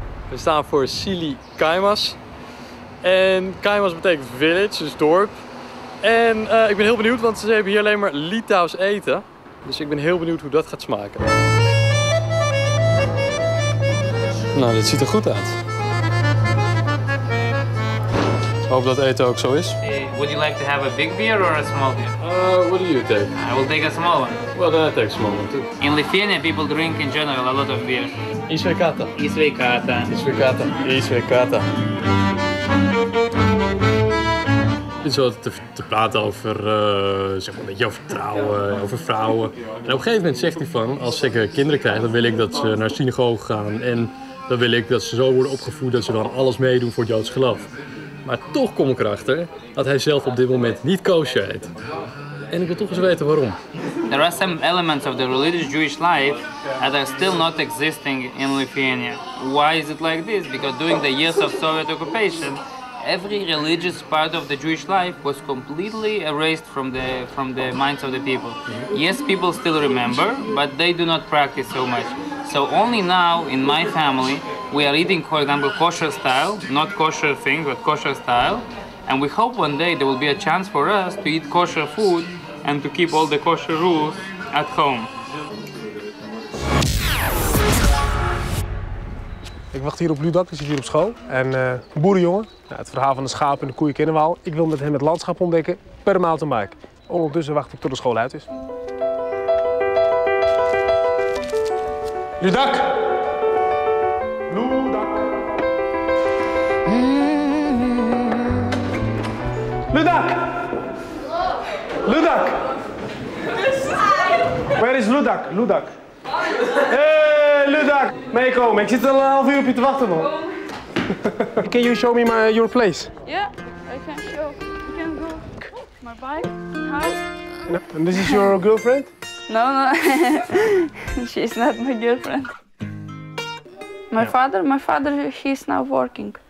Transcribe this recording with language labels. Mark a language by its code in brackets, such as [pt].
[nl] We staan voor Sili Kaimas. En Kaimas betekent village, dus dorp. En ik ben heel benieuwd, want ze hebben hier alleen maar Litouws eten. Dus ik ben heel benieuwd hoe dat gaat smaken. Nou, dit ziet er goed uit. Ik hoop dat eten ook zo is. [en] Would you like to have a big beer or a small beer? What do you take? I will take a small one. Well, then I take a small one too. In Lithuania, people drink in general a lot of beer. [lt] Isvekata. Isvekata. Isvekata. Isvekata. [nl] Zo te praten over, zeg maar, jouw vertrouwen, over vrouwen. En op een gegeven moment zegt hij van, als ik kinderen krijg, dan wil ik dat ze naar synagoog gaan. En dan wil ik dat ze zo worden opgevoed dat ze dan alles meedoen voor het Joods geloof. Maar toch kom ik erachter dat hij zelf op dit moment niet kosher eet. En ik wil toch eens weten waarom. [en] There are some elements of the religious Jewish life that are still not existing in Lithuania. Why is it like this? Because during the years of Soviet occupation, every religious part of the Jewish life was completely erased from the minds of the people. Yes, people still remember, but they do not practice so much. So only now in my family we are eating, for example, kosher style, not kosher thing, but kosher style. And we hope one day there will be a chance for us to eat kosher food and to keep all the kosher rules at home. [nl] Ik wacht hier op Ludak, die zit hier op school. En boerenjongen, nou, het verhaal van de schapen en de koeien kennen we al. Ik wil met hem het landschap ontdekken per mountain bike. Ondertussen wacht ik tot de school uit is. Ludak! Ludak! Ludak! Ludak! [en] Where is Ludak? Ludak! [nl] Ludak, meekomen. Ik zit al een half uur op je te wachten, man. [en] Can you show me my your place? Yeah, I can show. You can go. My bike, house. And this is your girlfriend? No, no. She's not my girlfriend. My father, he is now working.